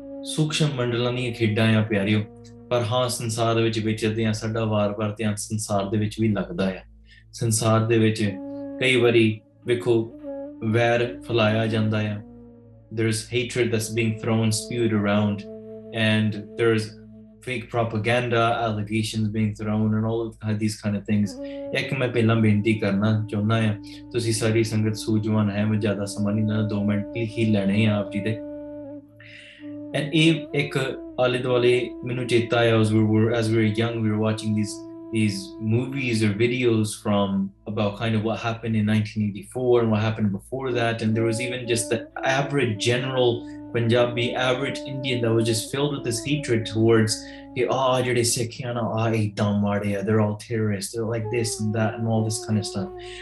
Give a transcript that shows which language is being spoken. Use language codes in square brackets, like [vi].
[pa] ਸੂਖਸ਼ਮ ਮੰਡਲਾਂ ਦੀਆਂ ਖੇਡਾਂ ਆ ਪਿਆਰਿਓ ਪਰ ਹਾਂ ਸੰਸਾਰ ਵਿੱਚ ਵਿਚਰਦੇ ਹਾਂ ਸਾਡਾ ਵਾਰ ਵਾਰ ਧਿਆਨ ਸੰਸਾਰ ਦੇ ਵਿੱਚ ਵੀ ਲੱਗਦਾ ਆ ਸੰਸਾਰ ਦੇ ਵਿੱਚ ਕਈ ਵਾਰੀ ਵੇਖੋ ਵੈਰ ਫੈਲਾਇਆ ਜਾਂਦਾ ਆ [en] There is hatred that's being thrown spewed around and there is fake propaganda, allegations being thrown, and all of these kind of things. [pa] ਇੱਕ ਮੈਂ ਪਹਿਲਾਂ ਬੇਨਤੀ ਕਰਨਾ ਚਾਹੁੰਦਾ ਹਾਂ, ਤੁਸੀਂ ਸਾਰੀ ਸੰਗਤ ਸੂਝਵਾਨ ਹੈ, ਮੈਂ ਜ਼ਿਆਦਾ ਸਮਾਂ ਨਹੀਂ ਲੈਣਾ, 2 ਮਿੰਟ ਹੀ ਲੈਣੇ ਆ ਆਪ ਜੀ ਦੇ. [en] And [pa] ek aale dwale mainu cheta aaya, [en] as we were young, we were watching these movies or videos from about kind of what happened in 1984 and what happened before that, and there was even just the average general Punjabi, average Indian that was just filled with this hatred towards [pa] jehde sikhiyan na aah dam maare ya, [en] they're all terrorists, they're like this and that and all this kind of stuff.